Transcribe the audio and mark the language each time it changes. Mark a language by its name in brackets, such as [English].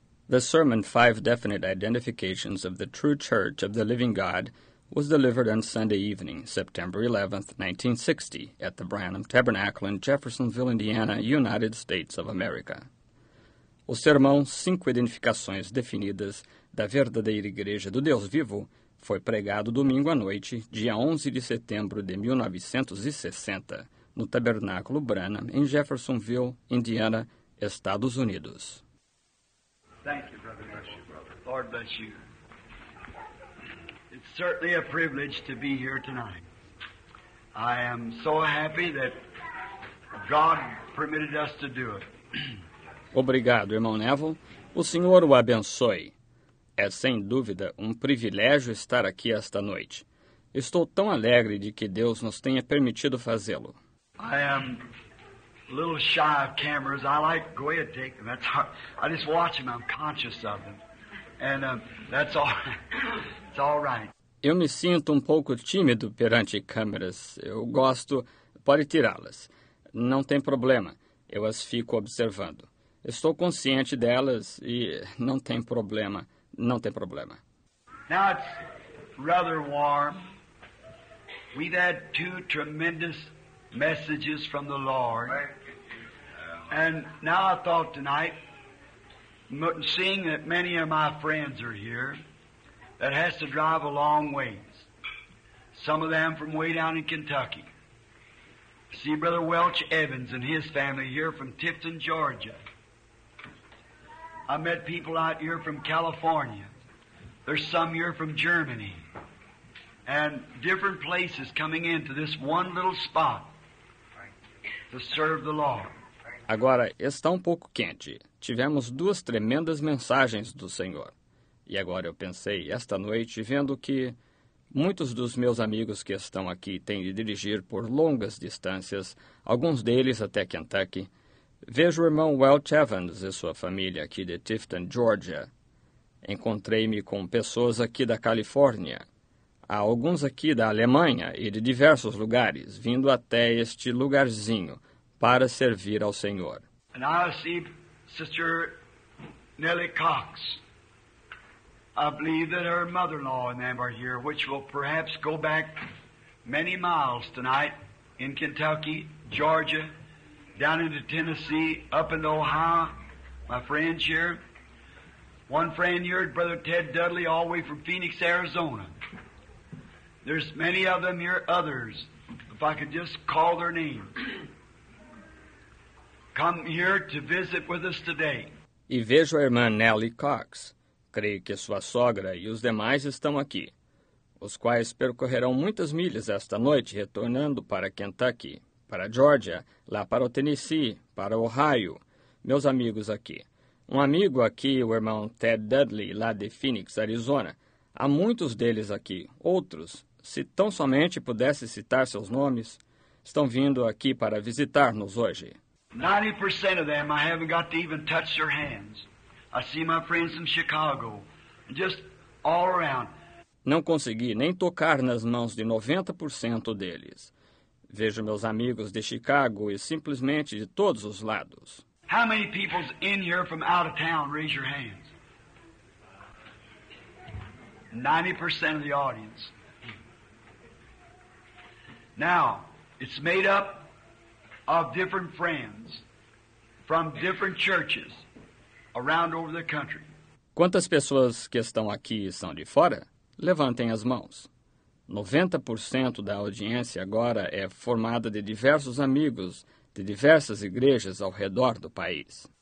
[English] The sermon, Five Definite Identifications of the True Church of the Living God, was delivered on Sunday evening, September 11, 1960, at the Branham Tabernacle in Jeffersonville, Indiana, United States of America. [Portuguese] O sermão Cinco Identificações Definidas da Verdadeira Igreja do Deus Vivo foi pregado domingo à noite, dia 11 de setembro de 1960, no Tabernáculo Branham, em Jeffersonville, Indiana, Estados Unidos. [English] Thank you, brother. Bless you, brother. Lord bless you. It's certainly a privilege to be here tonight. I am so happy that God permitted us to do it. [Portuguese] Obrigado, irmão Neville. O Senhor o abençoe. É sem dúvida um privilégio estar aqui esta noite. Estou tão alegre de que Deus nos tenha permitido fazê-lo. [English] I am a little shy of cameras. I like go ahead and take them. That's all. I just watch them. I'm conscious of them. And that's all. It's all right. [Portuguese] Eu me sinto pouco tímido perante câmeras. Eu gosto. Pode tirá-las. Não tem problema. Eu as fico observando. Estou consciente delas e não tem problema. Não tem problema. [English] Now it's rather warm. We've had two tremendous messages from the Lord. And now I thought tonight, seeing that many of my friends are here, that has to drive a long ways. Some of them from way down in Kentucky. See Brother Welch Evans and his family here from Tifton, Georgia. I met people out here from California. There's some here from Germany. And different places coming into this one little spot to serve the Lord. [Portuguese] Agora, está pouco quente. Tivemos duas tremendas mensagens do Senhor. E agora eu pensei, esta noite, vendo que muitos dos meus amigos que estão aqui têm de dirigir por longas distâncias, alguns deles até Kentucky. Vejo o irmão Welch Evans e sua família aqui de Tifton, Georgia. Encontrei-me com pessoas aqui da Califórnia. Há alguns aqui da Alemanha e de diversos lugares, vindo até este lugarzinho, para servir ao Senhor. [English] And I see Sister Nellie Cox. I believe that her mother-in-law and them are here, which will perhaps go back many miles tonight in Kentucky, Georgia, down into Tennessee, up in Ohio. My friends here. One friend here, Brother Ted Dudley, all the way from Phoenix, Arizona. There's many of them here, others, if I could just call their names. Come here to visit with us today. [Portuguese] E vejo a irmã Nellie Cox. Creio que sua sogra e os demais estão aqui, os quais percorrerão muitas milhas esta noite, retornando para Kentucky, para Georgia, lá para o Tennessee, para Ohio. Meus amigos aqui. Um amigo aqui, o irmão Ted Dudley, lá de Phoenix, Arizona. Há muitos deles aqui. Outros, se tão somente pudesse citar seus nomes, estão vindo aqui para visitar-nos hoje. [English] 90% of them, I haven't got to even touch their hands. I see my friends from Chicago, just all around. [Portuguese] Não consegui nem tocar nas mãos de 90% deles. Vejo meus amigos de Chicago e simplesmente de todos os lados. [English] How many people's in here from out of town? Raise your hands. 90% of the audience. Now, it's made up of different friends from different churches around over the country. [Portuguese] Quantas pessoas que estão aqui são de fora? Levantem as mãos. 90% da audiência agora é formada de diversos amigos de diversas igrejas ao redor do país.